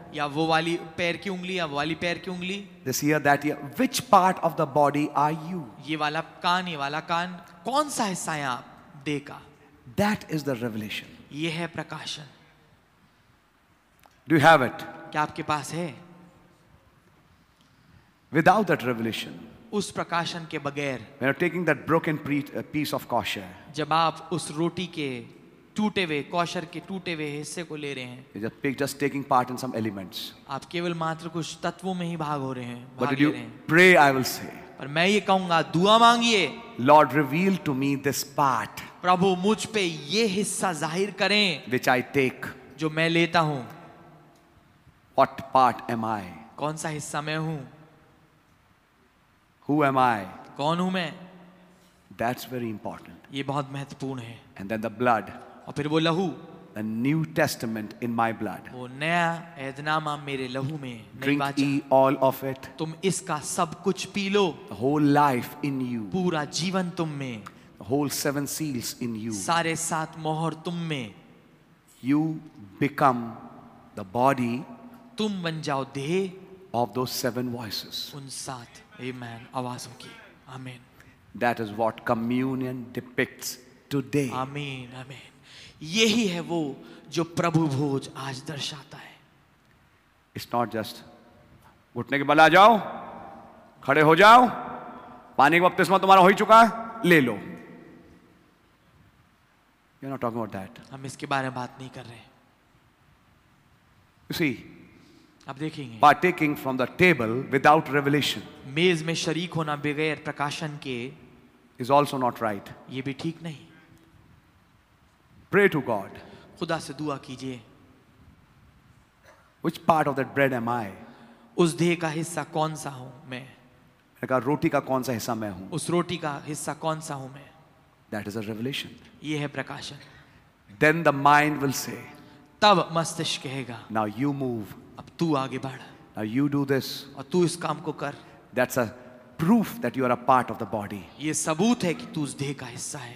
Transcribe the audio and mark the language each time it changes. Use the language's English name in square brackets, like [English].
[Hindi] या वो वाली पैर की उंगली या वो वाली पैर की उंगली? [English] This ear, that ear. Which part of the body are you? [Hindi] ये वाला कान कौन सा हिस्सा है आप देह का? [English] That is the revelation. [Hindi] ये है प्रकाशन. [English] Do you have it? [Hindi] क्या आपके पास है? [English] Without that revelation, [Hindi] उस प्रकाशन के बगैर, [English] when you're taking that broken piece of kosher, [Hindi] जब आप उस रोटी के टूटे हुए कोशर के टूटे हुए हिस्से को ले रहे हैं, [English] just taking part in some elements, [Hindi] आप केवल मात्र कुछ तत्वों में ही भाग हो रहे हैं, [English] but did you pray? I will say, [Hindi] पर मैं ये कहूँगा, दुआ मांगिए, [English] Lord, reveal to me this part, [Hindi] प्रभु मुझ पे ये हिस्सा जाहिर करें, [English] which I take, [Hindi] जो मैं लेता हूँ, [English] what part am I? [Hindi] कौन सा हिस्सा मैं हूँ? [English] Who am I? [Hindi] कौन हूँ मैं? [English] That's very important. [Hindi] ये बहुत महत्वपूर्ण है. [English] And then the blood. [Hindi] और फिर वो लहू. [English] The New Testament in my blood. [Hindi] वो नया ऐधनामा मेरे लहू में. [English] Drink ye all of it. [Hindi] तुम इसका सब कुछ P low. [English] The whole life in you. [Hindi] पूरा जीवन तुम में. [English] The whole seven seals in you. [Hindi] सारे सात मोहर तुम में. [English] You become the body. [Hindi] तुम बन जाओ देह. [English] Of those seven voices. [Hindi] उन सात Amen. आवाजों की. Amen. [English] That is what communion depicts today. Amen. Amen. [Hindi] यही है वो जो प्रभु भोज आज दर्शाता है. [English] It's not just [Hindi] उठने के बल आ जाओ, खड़े हो जाओ, पानी का बपतिस्मा तुम्हारा हो ही चुका है, ले लो. [English] You're not talking about that. [Hindi] हम इसके बारे में बात नहीं कर रहे. [English] You see. [Hindi] अब देखेंगे. [English] Partaking from the table without revelation. [Hindi] मेज में शरीक होना बगैर प्रकाशन के [English] is also not right. [Hindi] ये भी ठीक नहीं. [English] Pray to God. [Hindi] खुदा से दुआ कीजिए. [English] Which part of that bread am I? [Hindi] उस देह का हिस्सा कौन सा हूं मैं? मैंने कहा रोटी का कौन सा हिस्सा मैं हूं? उस रोटी का हिस्सा कौन सा हूं मैं? [English] That is a revelation. [Hindi] ये है प्रकाशन. [English] Then the mind will say. [Hindi] तब मस्तिष्क कहेगा. [English] Now you move. [Hindi] अब तू आगे बढ़. [English] Now you do this. [Hindi] और तू इस काम को कर. [English] That's a proof that you are a part of the body. [Hindi] ये सबूत है कि तू उस देह का हिस्सा है.